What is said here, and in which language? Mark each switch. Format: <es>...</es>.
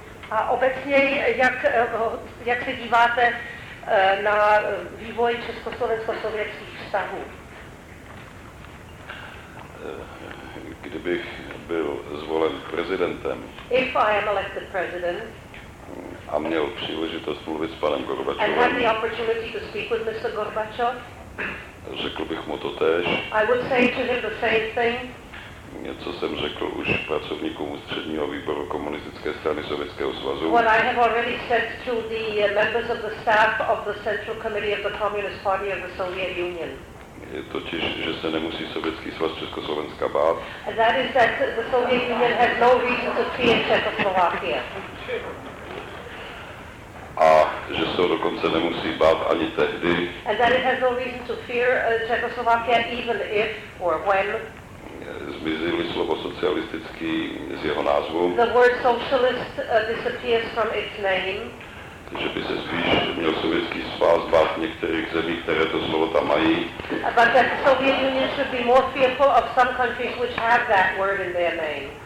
<cs>A obecně, jak se díváte na vývoj československo-sovětských vztahů? Kdybych byl zvolen prezidentem,</cs> <en>if I am elected president,</en> <cs>a měl příležitost mluvit s panem Gorbačovem,</cs> <en>and had the opportunity to speak with Mr. Gorbačov,</en> <cs>řekl bych mu to též.</cs> <en>I would say to him the same thing.</en> <cs>Něco jsem řekl už pracovníkům ústředního výboru komunistické strany Sovětského svazu.</cs> <en>What I have already said to the members of the staff of the Central Committee of the Communist Party of the Soviet Union.</en> <cs>Je totiž, že se nemusí Sovětský svaz Československa bát.</cs> <en>And that is that the Soviet Union has no reason to fear Czechoslovakia.</en> <cs>A že se ho dokonce nemusí bát ani tehdy.</cs> <en>And that it has no reason to fear Czechoslovakia even if or when.</en> <cs>Zmizí-li slovo socialistický z jeho názvu.</cs> <en>The word socialist disappears from its name.</en> <cs>Že by se spíš měl Sovětský svaz bát některých zemí, které to slovo tam mají.</cs> <en>But that the Soviet Union should be more fearful of some countries which have that word in their name.</en>